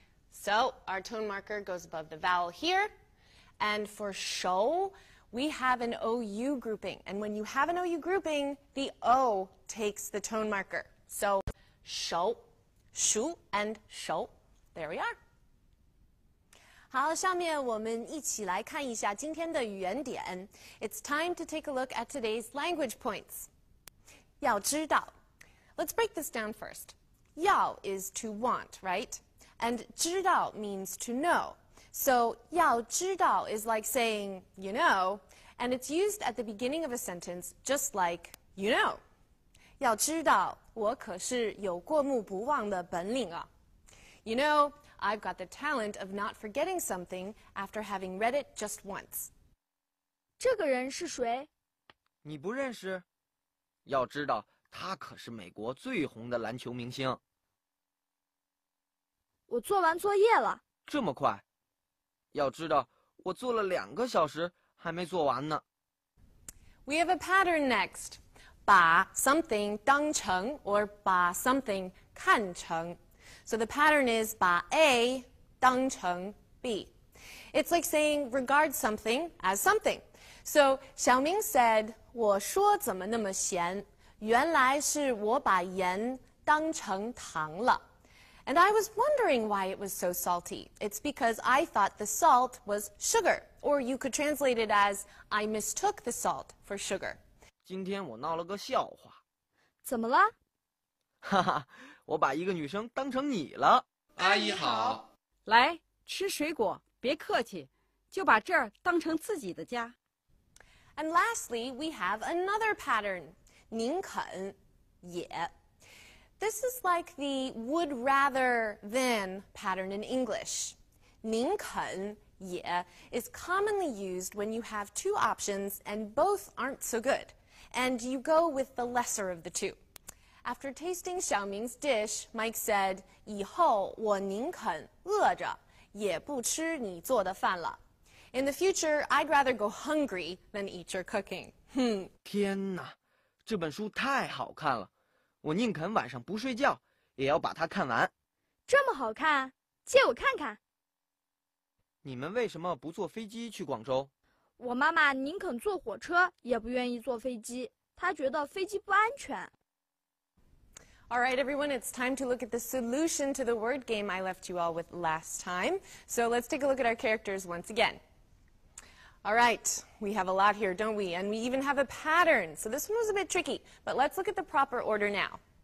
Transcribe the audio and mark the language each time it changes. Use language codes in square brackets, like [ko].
[en] So, our tone marker goes above the vowel here, and for shou, we have an O-U grouping, and when you have an O-U grouping, the O takes the tone marker. So, shou, shou, and shou. There we are. [zh] 好，下面我们一起来看一下今天的语言点。 [en] It's time to take a look at today's language points. [zh] 要知道。 [en] Let's break this down first. 要 is to want, right? And 知道 means to know. So [zh] 要知道 [en] is like saying, you know, and it's used at the beginning of a sentence just like, you know. [zh] 要知道我可是有过目不忘的本领啊。 [en] You know,I've got the talent of not forgetting something after having read it just once. [zh] 这个人是谁？你不认识？要知道，他可是美国最红的篮球明星。我做完作业了。这么快？要知道，我做了两个小时，还没做完呢。 [en] We have a pattern next. 把 something 当成 or 把 something 看成。 So the pattern is 把 A 当成 B. It's like saying regard something as something. So 小明 said, [zh] 我说怎么那么咸？原来是我把盐当成糖了。 [en] And I was wondering why it was so salty. It's because I thought the salt was sugar. Or you could translate it as I mistook the salt for sugar. [zh] 今天我闹了个笑话。怎么了？哈哈，我把一个女生当成你了。阿姨好。来，吃水果，别客气，就把这儿当成自己的家。 [en] And lastly, we have another pattern. 宁肯也。 This is like the would rather than pattern in English. 宁肯也 is commonly used when you have two options and both aren't so good. And you go with the lesser of the two. After tasting Xiaoming's dish, Mike said, [zh] 以后我宁肯饿着也不吃你做的饭了。 [en] In the future, I'd rather go hungry than eat your cooking. [zh] 天哪，这本书太好看了，我宁肯晚上不睡觉也要把它看完。这么好看，借我看看。你们为什么不坐飞机去广州？我妈妈宁肯坐火车也不愿意坐飞机，她觉得飞机不安全。 [en] All right, everyone, it's time to look at the solution to the word game I left you all with last time. So let's take a look at our characters once again. All right, we have a lot here, don't we? And we even have a pattern. So this one was a bit tricky, but let's look at the proper order now.